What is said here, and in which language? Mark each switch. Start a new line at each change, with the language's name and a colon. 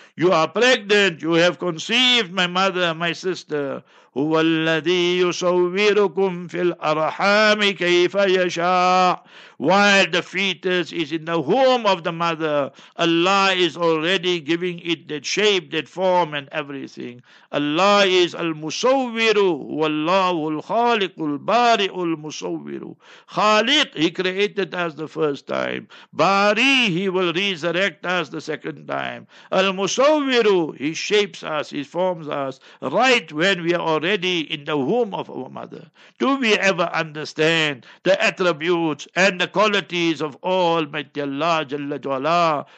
English: You are pregnant, you have conceived, my mother, my sister.
Arabic: هُوَ الَّذِي يُصَوِّرُكُمْ فِي الْأَرْحَامِ كَيْفَ يَشَاءُ.
English: While the fetus is in the womb of the mother, Allah is already giving it that shape, that form and everything. Allah is al-musawwiru,
Arabic: وَاللَّهُ الْخَالِقُ الْبَارِئُ الْمُصَوِّرُ.
English: Khaliq, He created us the first time. Bari, He will resurrect us the second time. Al-musawwiru, He shapes us, He forms us, right when we are already in the womb of our mother. Do we ever understand the attributes and the qualities of Almighty Allah Jalla Jalla?